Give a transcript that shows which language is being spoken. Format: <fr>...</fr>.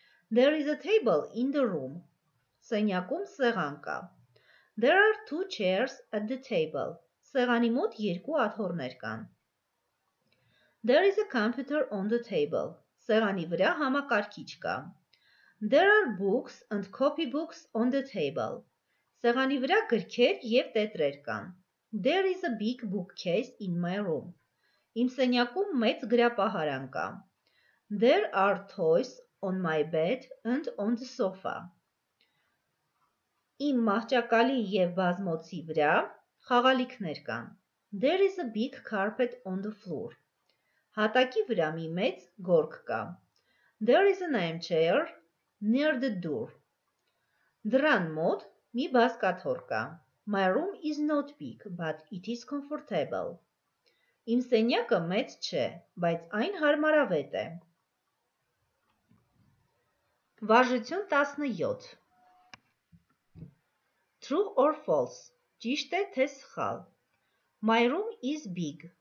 <en>There is a table in the room.</en> <hy>Սենյակում սեղան կա.</hy> <en>There are two chairs at the table.</en> <hy>Սեղանի մոտ երկու աթոռներ կան.</hy> <en>There is a computer on the table.</en> <hy>Սեղանի վրա համակարգիչ կա.</hy> <en>There are books and copy books on the table.</en> <hy>Սեղանի վրա գրքեր և տետրեր կան.</hy> <en>There is a big bookcase in my room.</en> <hy>Իմ սենյակում մեծ գրապահարան կա.</hy> <en>There are toys on my bed and on the sofa.</en> <hy>Իմ մահճակալի և բազմոցի վրա խաղալիքներ կան.</hy> <en>There is a big carpet on the floor.</en> <hy>Հատակի վրա մի մեծ գորգ կա.</hy> <en>There is an armchair near the door.</en> <hy>Դրան մոտ մի բազկաթոռ կա.</hy> <en>My room is not big, but it is comfortable.</en> <hy>Իմ սենյակը մեծ չէ, բայց այն հարմարավետ է. Վարժություն 17.</hy> <en>True or false?</en> <hy>Ճիշտ է թե սխալ?</hy> <en>My room is big.</en>